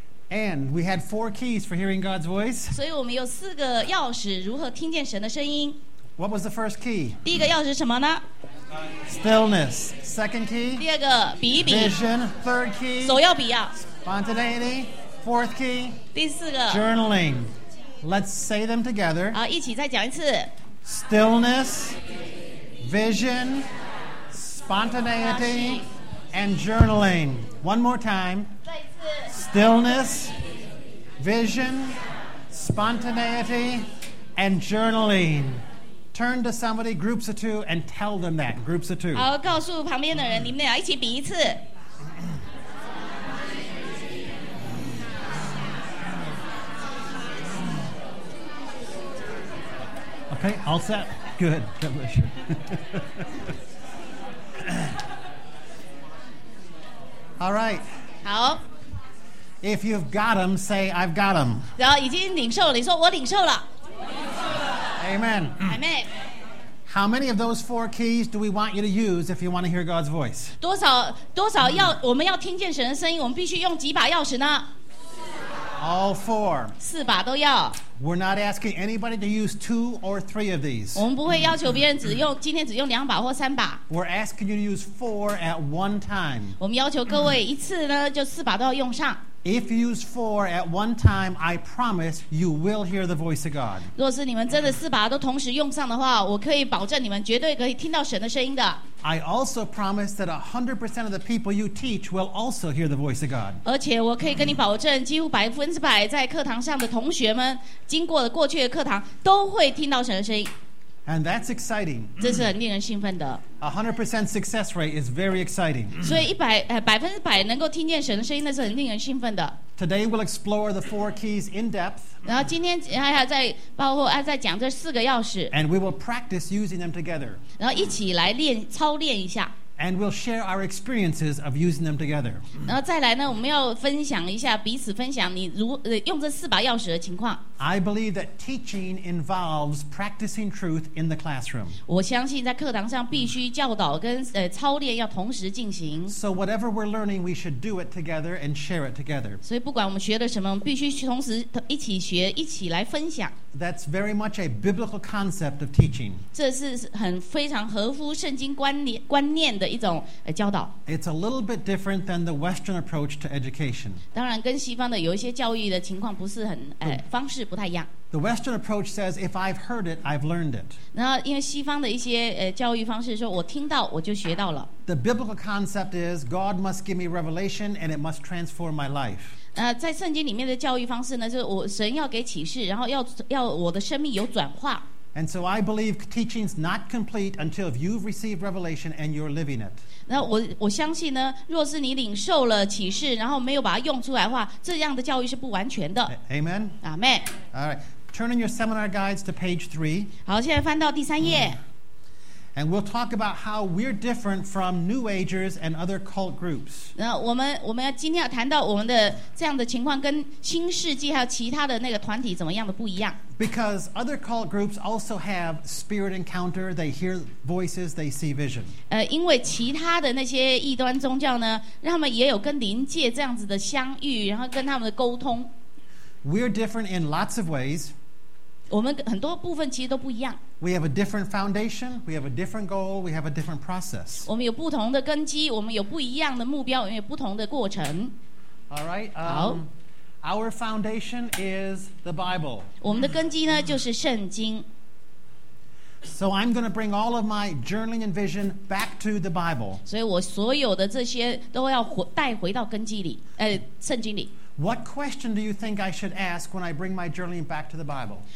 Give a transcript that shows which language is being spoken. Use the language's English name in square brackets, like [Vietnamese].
[English] And we had four keys for hearing God's voice. [Chinese] 所以我们有四个钥匙，如何听见神的声音。 [English] What was the first key? [Chinese] 第一个钥匙是什么呢？ [English] Stillness. Second key. [Chinese] 第二个比一比。 [English] Vision. Third key. [Chinese] 所要比要。 [English] Spontaneity. Fourth key. [Chinese] 第四个。 [English] Journaling. Let's say them together. [Chinese] 好，一起再讲一次。 [English] Stillness. Vision. Spontaneity. And journaling. One more time. Stillness, vision, spontaneity, and journaling. Turn to somebody, groups of two, and tell them that, groups of two. [Chinese] 好，告诉旁边的人，你们俩一起比一次。 [English] Okay, all set. Good. Delicious. All right. [Chinese] 好。 [English] If you've got them, say, I've got them. [Chinese] 然后已经领受了，你说我领受了。 [English] Amen. Amen. How many of those four keys do we want you to use if you want to hear God's voice? [Chinese] 多少要我们要听见神的声音，我们必须用几把钥匙呢？ [English] All four. [Chinese] 四把都要。 [English] We're not asking anybody to use two or three of these. [Chinese] 我们不会要求别人只用今天只用两把或三把。 [English] We're asking you to use four at one time. [Chinese] 我们要求各位一次呢就四把都要用上。 [English] If you use four at one time, I promise you will hear the voice of God. [Chinese] 若是你们真的四把都同时用上的话，我可以保证你们绝对可以听到神的声音的。 [English] I also promise that 100% of the people you teach will also hear the voice of God. [Chinese] 而且我可以跟你保证，几乎100%在课堂上的同学们，经过了过去的课堂，都会听到神的声音。 [English] And that's exciting. [Chinese] 这是很令人兴奋的。 [English] 100% success rate is very exciting. [Chinese] 所以100%能够听见神的声音，那是很令人兴奋的。 [English] Today we'll explore the four keys in depth. [Chinese] 然后今天还在讲这四个钥匙。 [English] And we will practice using them together. [Chinese] 然后一起来操练一下。 [English] And we'll share our experiences of using them together. [Chinese] 然后再来呢，我们要分享一下彼此分享你用这四把钥匙的情况。 [English] I believe that teaching involves practicing truth in the classroom. [Chinese] 我相信在课堂上必须教导跟操练要同时进行。 [English] So whatever we're learning, we should do it together and share it together. [Chinese] 所以不管我们学的什么，我们必须同时一起学，一起来分享。 [English] That's very much a biblical concept of teaching. [Chinese] 这是很非常合乎圣经观念的一种教导。 [English] It's a little bit different than the Western approach to education. [Chinese] 当然，跟西方的有一些教育的情况不是很方式不太一样。 [English] The Western approach says, if I've heard it, I've learned it. [Chinese] 然后，因为西方的一些教育方式说，我听到我就学到了。 [English] The biblical concept is God must give me revelation and it must transform my life. [Chinese] 在圣经里面的教育方式呢，就是神要给启示，然后要我的生命有转化。 [English] And so I believe teaching's not complete until you've received revelation and you're living it. [Chinese] 那我相信呢，若是你领受了启示，然后没有把它用出来的话，这样的教育是不完全的。 [English] Amen. Amen. All right. Turn in your seminar guides to page 3. [Chinese] 好，现在翻到第三页。 [English] And we'll talk about how we're different from New Agers and other cult groups. [Chinese] 那我们今天要谈到我们的这样的情况跟新世纪还有其他的那个团体怎么样的不一样。 [English] Because other cult groups also have spirit encounter, they hear voices, they see vision. [Chinese] 因为其他的那些异端宗教呢，他们也有跟灵界这样子的相遇，然后跟他们的沟通。 [English] We're different in lots of ways. [Chinese] 我们很多部分其实都不一样。 [English] We have a different foundation, we have a different goal, we have a different process. [Chinese] 我们有不同的根基，我们有不一样的目标，我们有不同的过程。 [English] All right. [Chinese] 好。 [English] Our foundation is the Bible. [Chinese] 我们的根基呢就是圣经。 [English] So I'm going to bring all of my journaling and vision back to the Bible. [Chinese] 所以我所有的这些都要带回到根基里，圣经里。 [English] What question do you think I should ask when I bring my journaling back to the Bible?